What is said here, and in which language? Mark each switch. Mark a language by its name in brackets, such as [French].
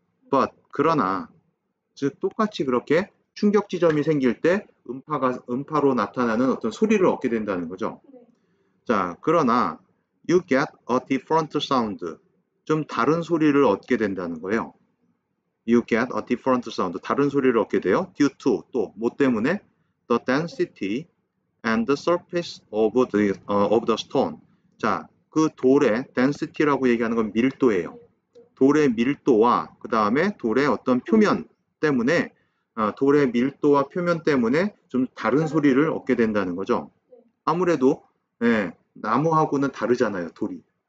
[Korean] But, 그러나, 즉, 똑같이 그렇게 충격 지점이 생길 때 음파로 나타나는 어떤 소리를 얻게 된다는 거죠. 자, 그러나, [English] you get a different sound. [Korean] 좀 다른 소리를 얻게 된다는 거예요. [English] You get a different sound. [Korean] 다른 소리를 얻게 돼요. [English] Due to, [Korean] 또, 뭐 때문에? [English] The density and the surface of the stone. [Korean] 자, 그 돌의 density라고 얘기하는 건 밀도예요. 돌의 밀도와, 그 다음에 돌의 어떤 표면 때문에 돌의 밀도와 표면 때문에 좀 다른 소리를 얻게 된다는 거죠. 아무래도 예, 나무하고는 다르잖아요, 돌이.